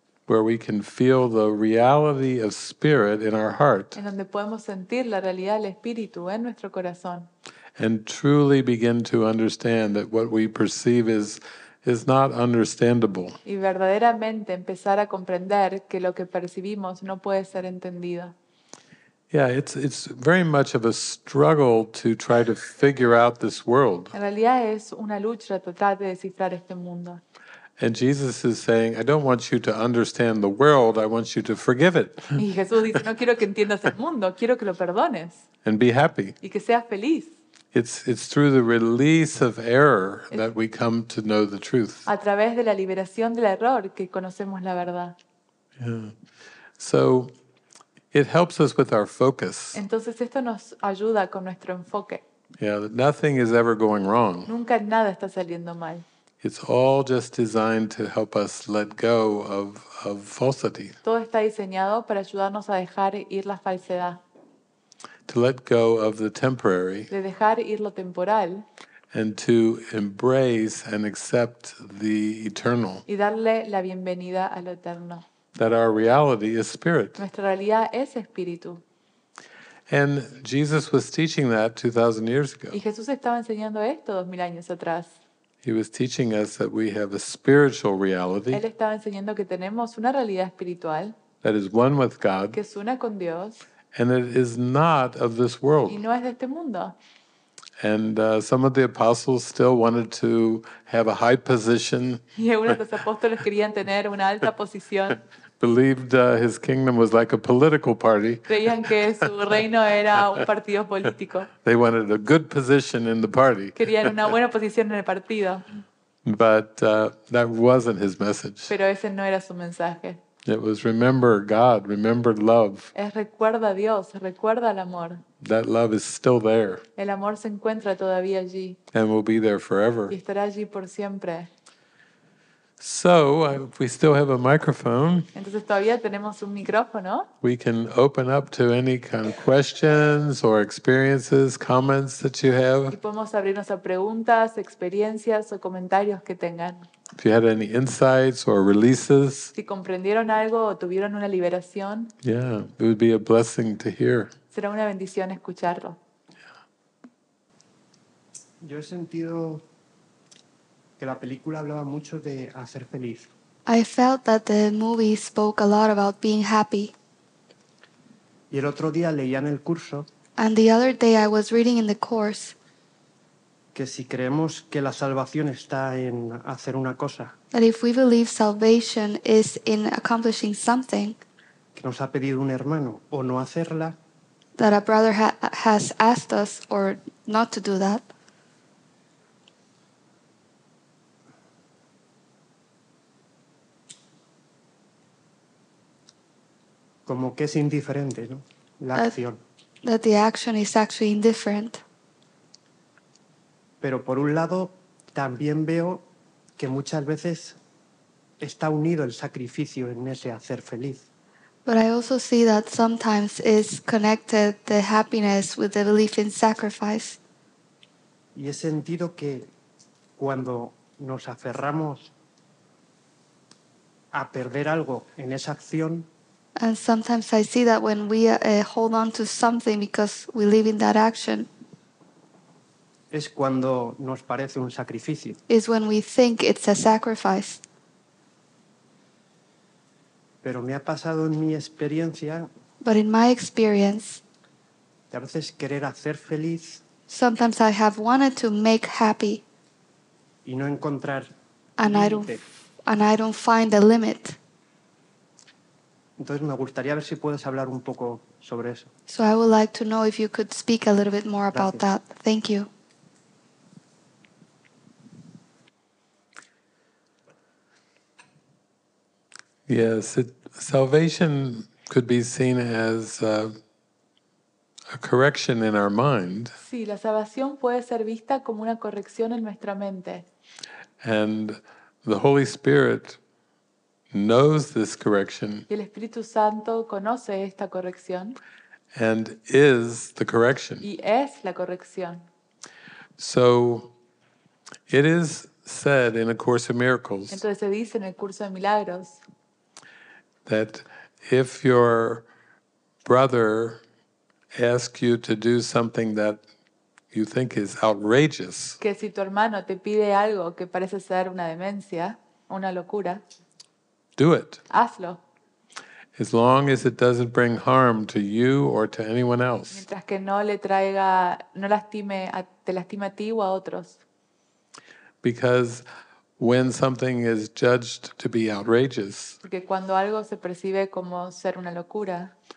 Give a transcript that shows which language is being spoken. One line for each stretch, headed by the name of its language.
English: Where we can feel the reality of spirit in our heart.
Spanish: En donde podemos sentir la realidad del espíritu en nuestro corazón.
English: And truly begin to understand that what we perceive is not understandable.
Spanish: Y verdaderamente empezar a comprender que lo que percibimos no puede ser entendido.
English: Yeah, it's very much of a struggle to try to figure out this world.
Spanish: En realidad es una lucha tratar de descifrar este mundo.
English: And Jesus is saying, I don't want you to understand the world, I want you to forgive it.
Spanish: Y Jesús dice, no quiero que entiendas el mundo, quiero que lo perdones.
English: And be happy.
Spanish: Y que seas feliz.
English: It's through the release of error that we come to know the truth.
Spanish: A través de la liberación del error que conocemos la verdad.
English: Yeah. So it helps us with our focus.
Spanish: Entonces esto nos ayuda con nuestro enfoque.
English: Yeah, nothing is ever going wrong.
Spanish: Nunca nada está saliendo mal.
English: It's all just designed to help us let go of falsity.
Spanish: Todo está diseñado para ayudarnos a dejar ir la falsedad.
English: To let go of the temporary.
Spanish: De dejar ir lo temporal.
English: And to embrace and accept the eternal.
Spanish: Y darle la bienvenida a lo eterno.
English: That our reality is spirit.
Spanish: Nuestra realidad es espíritu.
English: And Jesus was teaching that 2,000 years ago.
Spanish: Y Jesús estaba enseñando esto 2,000 años atrás.
English: He was teaching us that we have a spiritual reality.
Spanish: Él estaba enseñando que tenemos una realidad espiritual.
English: That is one with God.
Spanish: Que es una con Dios.
English: And it is not of this world.
Spanish: Y no es de este mundo.
English: And some of the apostles still wanted to have a high position.
Spanish: Y algunos de los apóstoles querían tener una alta posición.
English: Believed his kingdom was like a political party.
Spanish: Creían que su reino era un partido político.
English: They wanted a good position in the party.
Spanish: Querían una buena posición en el partido.
English: But that wasn't his message.
Spanish: Pero ese no era su mensaje.
English: It was remember God, remember love.
Spanish: Es recuerda a Dios, recuerda el amor.
English: That love is still there.
Spanish: El amor se encuentra todavía allí.
English: And will be there forever.
Spanish: Y estará allí por siempre.
English: So, if we still have a microphone,
Spanish: entonces todavía tenemos un micrófono,
English: we can open up to any kind of questions or experiences, comments that you have.
Spanish: Y podemos abrirnos a preguntas, experiencias o comentarios que tengan.
English: If you had any insights or releases,
Spanish: si comprendieron algo o tuvieron una liberación,
English: yeah, it would be a blessing to hear.
Spanish: Será una bendición escucharlo. Yo he sentido que la película hablaba mucho de hacer feliz.
English: I felt that the movie spoke a lot about being happy.
Spanish: Y el otro día leía en el curso.
English: And the other day I was reading in the course.
Spanish: Que si creemos que la salvación está en hacer una cosa.
English: That if we believe salvation is in accomplishing something.
Spanish: Que nos ha pedido un hermano o no hacerla.
English: That a brother has asked us or not to do that.
Spanish: Como que es indiferente, ¿no? La acción.
English: That the action is actually indifferent.
Spanish: Pero por un lado, también veo que muchas veces está unido el sacrificio en ese hacer feliz.
English: But I also see that sometimes is connected the happiness with the belief in sacrifice.
Spanish: Y he sentido que cuando nos aferramos a perder algo en esa acción,
English: and sometimes I see that when we hold on to something because we live in that action,
Spanish: es cuando nos parece un sacrificio.
English: Is when we think it's a sacrifice.
Spanish: Pero me ha pasado en mi experiencia,
English: but in my experience,
Spanish: de a veces querer hacer feliz,
English: sometimes I have wanted to make happy,
Spanish: y no encontrar
English: and I don't find a limit.
Spanish: Entonces me gustaría ver si puedes hablar un poco sobre eso.
English: So I would like to know if you could speak a little bit more.
Spanish: Gracias.
English: About that. Thank you. Yes, salvation could be seen as a correction in our mind.
Spanish: Sí, la salvación puede ser vista como una corrección en nuestra mente.
English: And the Holy Spirit knows this correction.
Spanish: Y el Espíritu Santo conoce esta corrección.
English: And is the correction.
Spanish: Y es la corrección.
English: So it is said in A Course in Miracles.
Spanish: Entonces se dice en el curso de milagros.
English: That if your brother asks you to do something that you think is outrageous.
Spanish: Que si tu hermano te pide algo que parece ser una demencia, una locura.
English: Do it.
Spanish: Hazlo.
English: As long as it doesn't bring harm to you or to anyone else.
Spanish: Mientras que no le traiga, no lastime, te lastime a ti o a otros.
English: Because when something is judged to be outrageous,
Spanish: porque cuando algo se percibe como ser una locura,